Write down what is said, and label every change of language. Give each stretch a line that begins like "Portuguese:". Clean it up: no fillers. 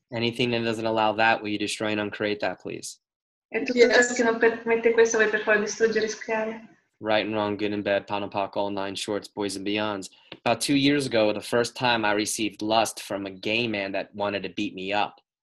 English: Anything that doesn't allow that, will you destroy and uncreate that, please?
Italian: E tutto ciò che non permette questo, vuoi per favore distruggere e screare?
English: Right and wrong, good and bad, pan and pock, all nine shorts, boys and beyonds. About 2 years ago, the first time I received lust from a gay man that wanted to beat me up.